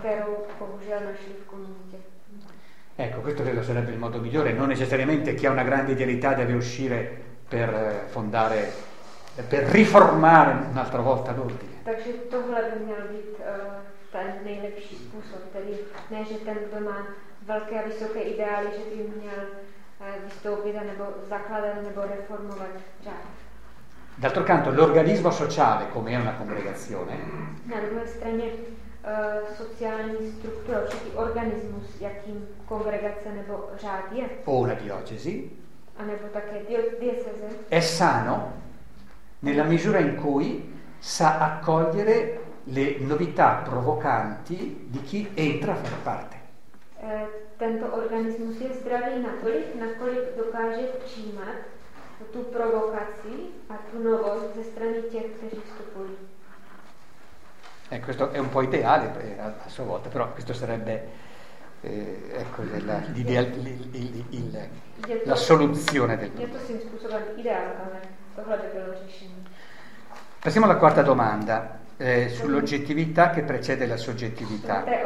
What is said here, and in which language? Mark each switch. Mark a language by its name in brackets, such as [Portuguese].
[Czech] Però, bohužel, našli v komunitě. [Italian] Ecco, questo credo sarebbe il modo migliore. Non necessariamente chi ha una grande idealità deve uscire per fondare, per riformare un'altra volta l'ordine. [Czech] Takže tohle by měl být ten nejlepší způsob, tedy ne, že ten, kdo má velké a vysoké ideály, že by měl vystoupit nebo zakladat nebo reformovat řád. [Italian] D'altro canto, l'organismo sociale, come è una congregazione, [Czech] na druhé straně sociální struktura, určitý organismus, jakým kongregace nebo řád je, [Italian] o una diocesi, [Czech] anebo také dieceze, [Italian] è sano nella misura in cui sa accogliere le novità provocanti di chi entra a far parte. [Czech] Tento organismus je zdravý natolik, nakolik dokáže přijímat tu provokaci a tu novost ze strany těch, kteří vstupují. [Italian] Questo è un po' ideale a sua volta, però questo sarebbe la soluzione del problema. Passiamo alla quarta domanda, sull'oggettività che precede la soggettività.